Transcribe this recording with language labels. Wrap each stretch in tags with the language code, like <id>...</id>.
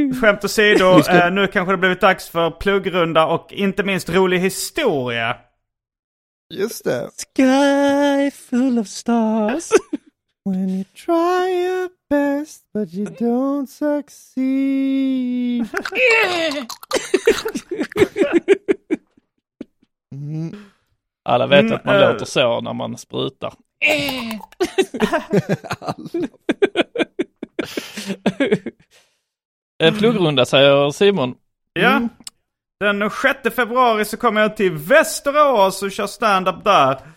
<sv>Skämt åsido, nu kanske det blivit dags för pluggrunda och inte minst rolig historia. Just det.</sv> <en>Sky full of stars. When you try your best but you don't succeed.</en> <sv>Alla vet att man låter så när man sprutar. Pluggrunda, säger Simon. Ja. Den 6 februari så kommer jag till Västerås och kör stand-up där.</sv>